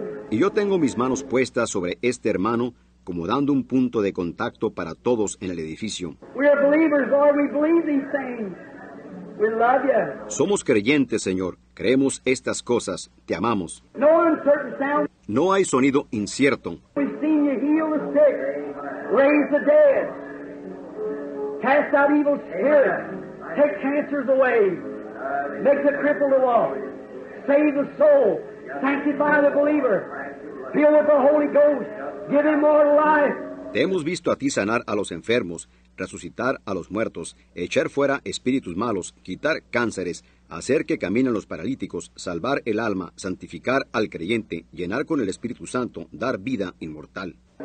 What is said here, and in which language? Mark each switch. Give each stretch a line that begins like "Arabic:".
Spanish: Y yo tengo mis manos puestas sobre este hermano como dando un punto de contacto para todos en el edificio.
English: We are believers, Lord. We believe these things. We love you.
Spanish: Somos creyentes, Señor. Creemos estas cosas. Te amamos.
English: No uncertain sound.
Spanish: No hay sonido incierto.
English: We've seen you heal the sick, raise the dead, cast out evil spirits, take cancers away, make the crippled walk, save the soul, sanctify the believer, fill with the Holy Ghost, give him more life.
Spanish: Te hemos visto a ti sanar a los enfermos, resucitar a los muertos, echar fuera espíritus malos, quitar cánceres, hacer que caminen los paralíticos, salvar el alma, santificar al creyente, llenar con el Espíritu Santo, dar vida inmortal.